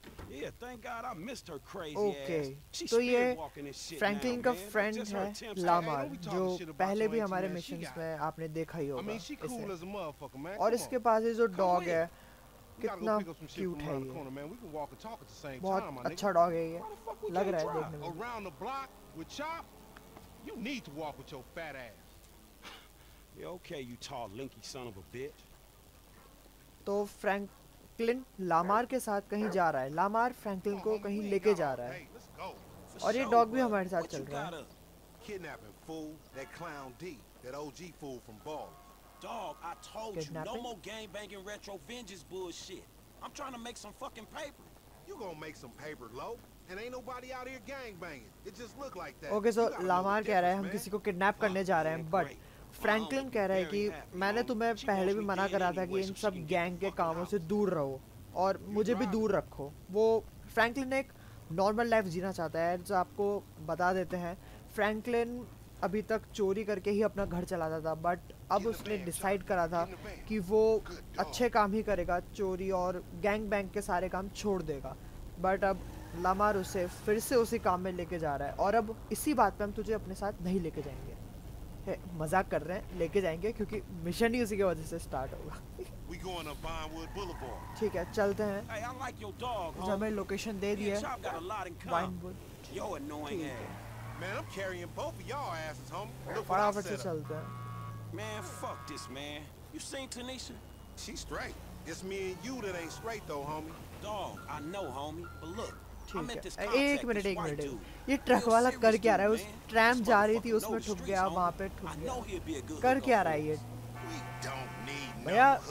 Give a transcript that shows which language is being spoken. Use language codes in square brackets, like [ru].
[en] Yeah, thank God I missed her crazy ass. [hi] तो ये Franklin का फ्रेंड है लामार, जो पहले भी हमारे मिशंस में आपने देखा ही होगा। और इसके पास ये जो डॉग है, कितना क्यूट है ये, बहुत अच्छा डॉग है ये, लग रहा है देखने में। [en] Around the block with Chop, you need to walk with your fat ass. Yeah, okay, you tall, lanky son of a bitch. [hi] तो फ्रैंकलिन लामार के साथ कहीं जा रहा है, लामार फ्रैंकलिन को कहीं लेके जा रहा है, और ये डॉग भी हमारे साथ चल रहा है। [en] Kidnapping fool, that clown D, that OG fool from Ball. Dog, I told you, no more gang banging retro vengeance bullshit. I'm trying to make some fucking paper. You gonna make some paper, low? And ain't nobody out here gang banging. It just look like that. [hi] Okay, so Lamar कह रहा है हम किसी को kidnap करने जा रहे हैं, but Franklin कह रहा है कि मैंने तुम्हें पहले भी मना करा था कि इन सब gang के कामों से दूर रहो और मुझे भी दूर रखो। वो Franklin एक normal life जीना चाहता है, जो आपको बता देते हैं। Franklin अभी तक चोरी करके ही अपना घर चलाता था, बट अब उसने डिसाइड करा था कि वो अच्छे काम ही करेगा, चोरी और गैंग बैंग के सारे काम छोड़ देगा। बट अब लामार उसे फिर से उसी काम में लेके जा रहा है, और अब इसी बात पे हम तुझे अपने साथ नहीं लेके जाएंगे। हे, मजाक कर रहे हैं, लेके जाएंगे क्योंकि मिशन ही उसी की वजह से स्टार्ट होगा। ठीक है, चलते हैं। हमें लोकेशन दे दी है। [en] Man, I'm carrying both of y'all asses, homie. Look what I set up. Children. Man, fuck this, man. You seen Tanisha? She's straight. It's me and you that ain't straight, though, homie. Dog, I know, homie. But look. [hi] एक minute एक minute, ये truck वाला कर क्या रहा है? उस tram जा रही थी उसमें छुप गया, वहां पे छुप गया, कर क्या रहा है ये भैया?